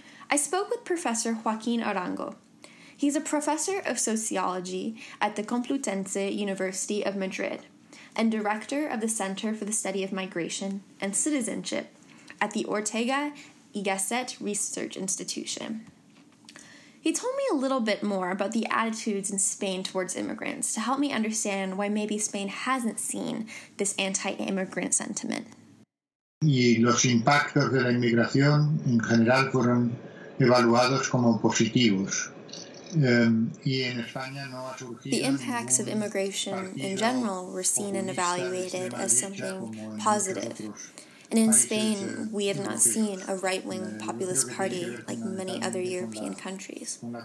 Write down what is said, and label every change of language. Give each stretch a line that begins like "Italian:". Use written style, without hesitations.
English: I spoke with Professor Joaquin Arango. He's a professor of sociology at the Complutense University of Madrid and director of the Center for the Study of Migration and Citizenship at the Ortega y Gasset Research Institution. He told me a little bit more about the attitudes in Spain towards immigrants to help me understand why maybe Spain hasn't seen this anti-immigrant sentiment.
Spanish: Y los impactos de la inmigración en general fueron evaluados como positivos.
English: The impacts of immigration in general were seen and evaluated as something positive. And in Spain, we have not seen a right-wing populist party like many other European countries.